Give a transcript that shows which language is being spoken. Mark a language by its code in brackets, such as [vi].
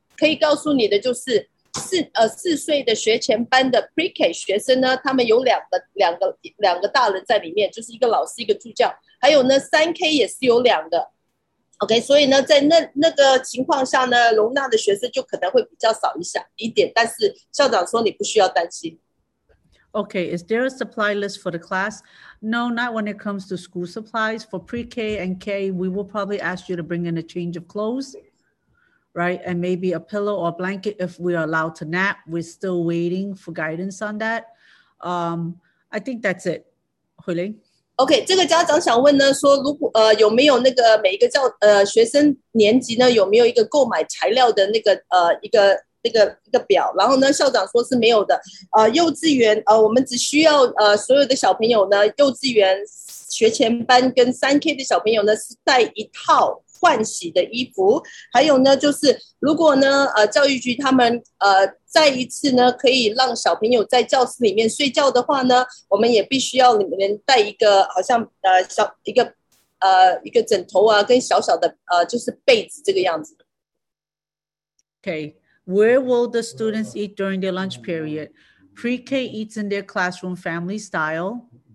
[zh] 可以告诉你的就是四岁的学前班的 pre-K 学生呢，他们有两个大人在里面，就是一个老师一个助教，还有呢 3K 也是有两个， OK， 所以呢，在那个情况下呢，容纳的学生就可能会比较少一点，但是校长说你不需要担心。 [en] OK, is there a supply list for the class? No, not when it comes to school supplies. For pre-K and K, we will probably ask you to bring in a change of clothes, right? And maybe a pillow or a blanket if we are allowed to nap. We're still waiting for guidance on that. I think that's it. Hui Ling? [zh] OK, 这个家长想问呢，说如果有没有那个每一个教学生年级呢，有没有一个购买材料的那个一个表，然后呢校长说是没有的。幼稚园我们只需要所有的小朋友呢，幼稚园学前班跟 3K 的小朋友呢是带一套换洗的衣服。还有呢就是如果呢教育局他们再一次呢可以让小朋友在教室里面睡觉的话呢，我们也必须要里面带一个好像一个枕头啊，跟小小的就是被子这个样子。 [en] Okay. Where will the students eat during their lunch period? Pre-K eats in their classroom family style.